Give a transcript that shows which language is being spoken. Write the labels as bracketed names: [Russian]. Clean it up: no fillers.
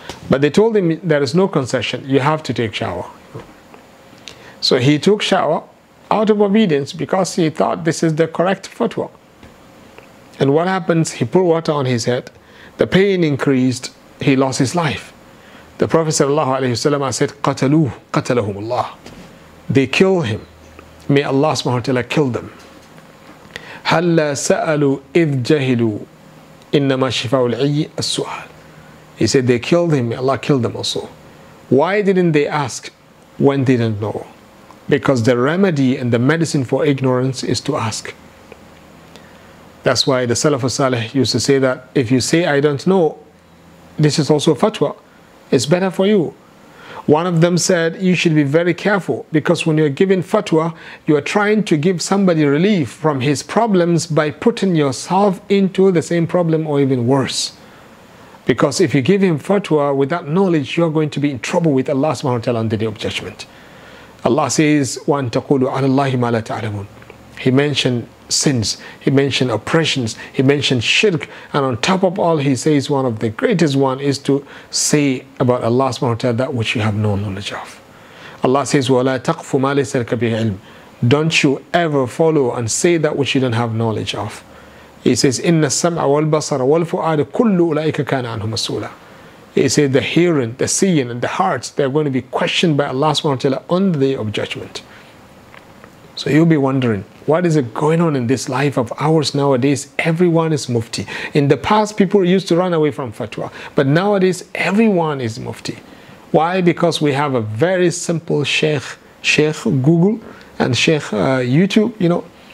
[English] But they told him, there is no concession, you have to take shower. So he took shower out of obedience, because he thought this is the correct fatwa. And what happens? He put water on his head, the pain increased, he lost his life. The Prophet ﷺ said, [Arabic] قَتَلُوا قَتَلَهُمُ اللَّهُ. [English] They kill him. May Allah subhanahu wa ta'ala kill them. [Arabic] هَلَّا سَأَلُوا إِذْ جَهِلُوا إِنَّمَا شِفَاءُ الْعِيِّ السُّؤَالِ. [English] He said, they killed him. May Allah kill them also. Why didn't they ask when they didn't know? Because the remedy and the medicine for ignorance is to ask. That's why the Salaf al-Saleh used to say that if you say, I don't know, this is also fatwa. It's better for you. One of them said, you should be very careful, because when you're giving fatwa, you are trying to give somebody relief from his problems by putting yourself into the same problem or even worse. Because if you give him fatwa without knowledge, you're going to be in trouble with Allah subhanahu wa ta'ala on the day of judgment. Allah says, [Arabic] وَأَنْتَقُولُ عَلَى اللَّهِ مَا لَا تَعْلَمُونَ. [English] He mentioned sins, he mentioned oppressions, he mentioned shirk, and on top of all, he says one of the greatest one is to say about Allah subhanahu wa ta'ala that which you have no knowledge of. Allah says, [Arabic] وَلَا تَقْفُ مَا لَيْسَ لَكَ بِهِ عِلْمٍ. [English] Don't you ever follow and say that which you don't have knowledge of. He says, [Arabic] إِنَّ السَّمْعَ وَالْبَصَرَ وَالْفُؤَادَ كُلُّ أُولَٰئِكَ كَانَ عَنْهُ مَسْئُولًا. [English] He says, the hearing, the seeing, and the hearts, they're going to be questioned by Allah subhanahu wa ta'ala on the day of judgment. So you'll be wondering, what is it going on in this life of ours nowadays? Everyone is mufti. In the past, people used to run away from fatwa. But nowadays, everyone is mufti. Why? Because we have a very simple sheikh Google and sheikh YouTube, you know.